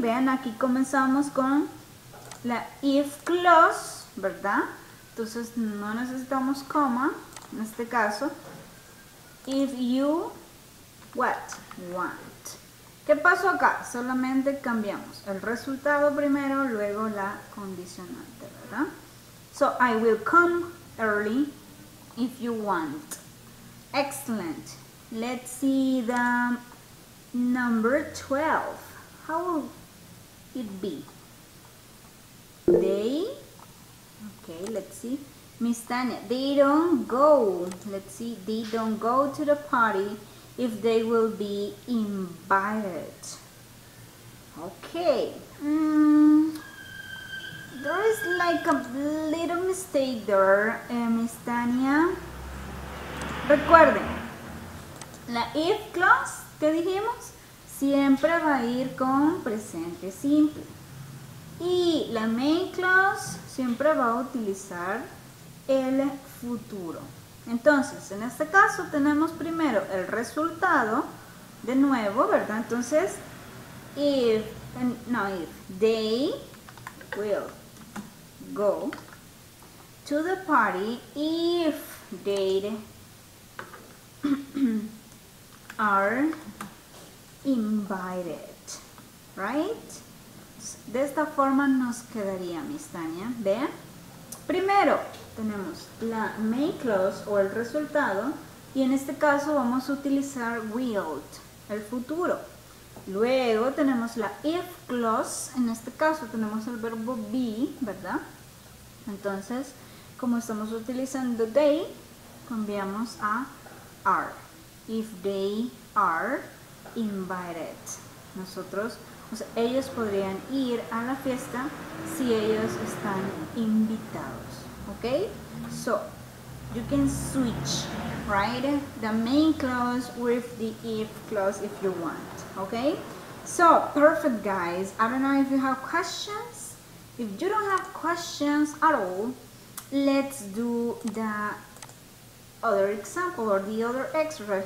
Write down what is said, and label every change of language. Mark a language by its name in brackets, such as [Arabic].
[Spanish] Vean, aquí comenzamos con la if clause, ¿verdad? Entonces, no necesitamos coma en este caso. [English] If you, what? Want. [Spanish] ¿Qué pasó acá? Solamente cambiamos el resultado primero, luego la condicionante, ¿verdad? [English] So, I will come early if you want. Excellent. Let's see the number 12. How will it be? They, okay, let's see. Miss Tania, they don't go. Let's see, they don't go to the party if they will be invited. Okay. There is like a little mistake there, Miss Tania. [Spanish] Recuerden, la if clause, ¿qué dijimos? Siempre va a ir con presente simple. Y la main clause siempre va a utilizar el futuro. Entonces, en este caso tenemos primero el resultado, de nuevo, ¿verdad? [English] Entonces, if they will go to the party if they are invited, right? [Spanish] De esta forma nos quedaría, Miss Tania, ¿vean? Primero, tenemos la main clause o el resultado y en este caso vamos a utilizar will, el futuro. Luego tenemos la if clause, en este caso tenemos el verbo be, ¿verdad? Entonces, como estamos utilizando they, cambiamos a are. [English] If they are invited. [Spanish] Nosotros, o sea, ellos podrían ir a la fiesta si ellos están invitados. [English] Okay, so you can switch, right? The main clause with the if clause if you want, okay? So, perfect, guys. I don't know if you have questions. If you don't have questions at all, let's do the other example or the other exercise.